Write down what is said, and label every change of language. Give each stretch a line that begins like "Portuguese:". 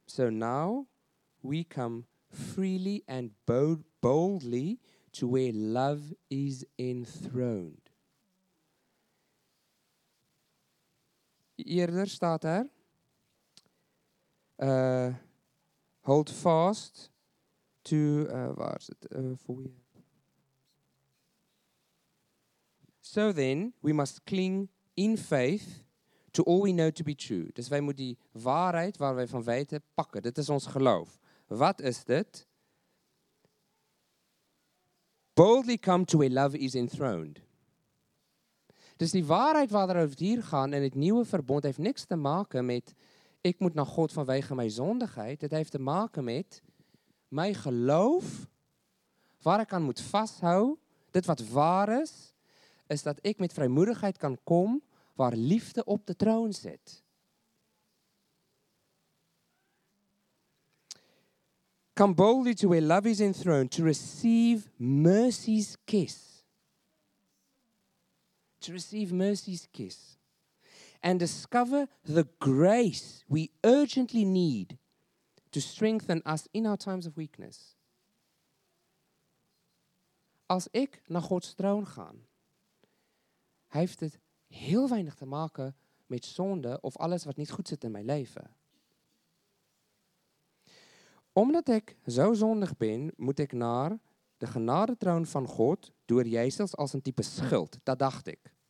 English: So now we come freely and boldly to where love is enthroned.
Dutch: Eerder staat er,
English: hold fast to,
Dutch: waar is het, voor je?
English: So then we must cling in faith to all we know to be true.
Dutch: Dus wij moeten die waarheid waar wij van weten pakken. Dit is ons geloof. Wat is dit?
English: Boldly come to where love is enthroned.
Dutch: Dus die waarheid waar we hier gaan in het nieuwe verbond heeft niks te maken met ik moet naar God vanwege mijn zondigheid. Het heeft te maken met mijn geloof waar ik aan moet vasthouden, dit wat waar is, is dat ik met vrijmoedigheid kan komen waar liefde op de troon zit.
English: Come boldly to where love is enthroned, to receive mercy's kiss. To receive mercy's kiss. And discover the grace we urgently need to strengthen us in our times of weakness.
Dutch: Als ik naar Gods troon ga, heeft het heel weinig te maken met zonde of alles wat niet goed zit in mijn leven. Omdat ik zo zondig ben, moet ik naar de genadetroon van God door Jezus als een type schuld. Dat dacht ik.